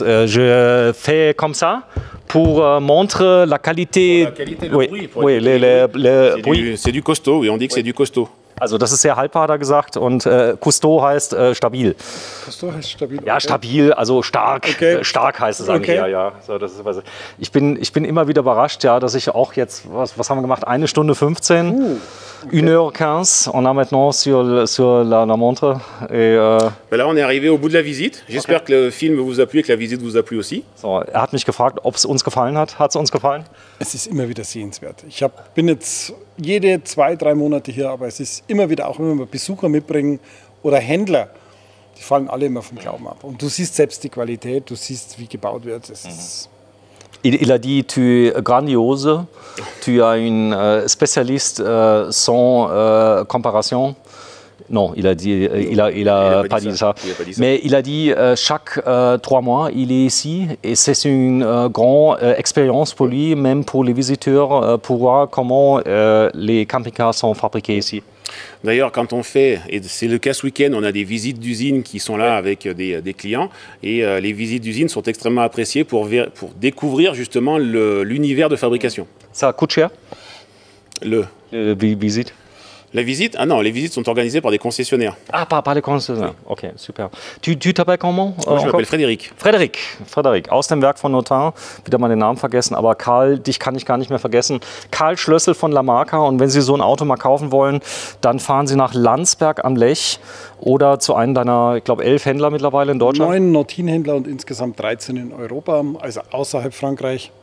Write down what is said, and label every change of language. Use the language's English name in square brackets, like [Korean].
[French] Je fais comme ça pour montrer la qualité. Pour la qualité, le bruit. Oui, le bruit. C'est du costaud, oui, on dit que c'est du costaud. [German] Also, das ist sehr haltbar, hat er gesagt. Und costaud heißt stabil. Costaud heißt stabil. Ja, stabil, also stark. Okay. Stark heißt es eigentlich. Okay. Ja. So, das ist, ich bin immer wieder überrascht, ja, dass ich auch jetzt, was haben wir gemacht? 1:15. Okay. [French] 1:15, on est maintenant sur la montre. Et, ben là, on est arrivé au bout de la visite. J'espère que le film vous a plu et que la visite vous a plu aussi. [German] So, hat mich gefragt, ob es uns gefallen hat. Hat es uns gefallen? Es ist immer wieder sehenswert. Ich bin jetzt jede 2-3 Monate hier, aber es ist immer wieder, auch wenn wir Besucher mitbringen oder Händler, die fallen alle immer vom Glauben ab. Und du siehst selbst die Qualität, du siehst, wie gebaut wird. Es ist [French] Il a dit, tu es grandiose, tu es un spécialiste sans comparaison. Non, il a pas dit ça. Mais il a dit, chaque 3 mois, il est ici et c'est une grande expérience pour lui, même pour les visiteurs, pour voir comment les camping-cars sont fabriqués ici. D'ailleurs, quand on fait, et c'est le cas ce week-end, on a des visites d'usines qui sont là avec des clients. Et les visites d'usines sont extrêmement appréciées pour découvrir justement l'univers de fabrication. Ça coûte cher? La visite? La visite? Ah non, les visites sont organisées par des concessionnaires. Ah, par les concessionnaires. Oui. Ok, super. Tu t'appelles comment? Moi, je m'appelle Frédéric. [German] Frédéric, aus dem Werk von Notin. Wieder mal den Namen vergessen, aber Karl, dich kann ich gar nicht mehr vergessen. Karl Schlössel von La Marca. Und wenn Sie so ein Auto mal kaufen wollen, dann fahren Sie nach Landsberg am Lech oder zu einem deiner, ich glaube, 11 Händler mittlerweile in Deutschland. 9 Notin-Händler und insgesamt 13 in Europa, also außerhalb Frankreich.